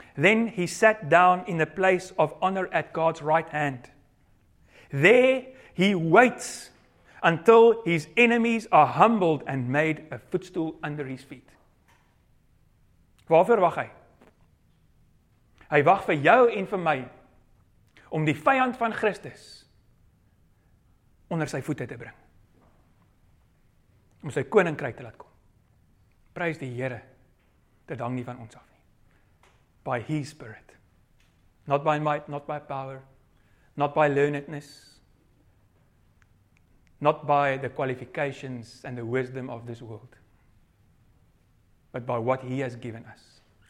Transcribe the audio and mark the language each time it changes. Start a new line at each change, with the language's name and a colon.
English: Then he sat down in the place of honor at God's right hand. There he waits until his enemies are humbled and made a footstool under his feet.
Afrikaans: Waarvoor wag hy? Hy wag vir jou en vir my om die vyand van Christus onder sy voete te bring. Om sy koninkryk te laat kom. Prys die Here. Dit hang nie van ons af nie.
English: By his spirit. Not by might, not by power, not by learnedness. Not by the qualifications and the wisdom of this world, but by what he has given us.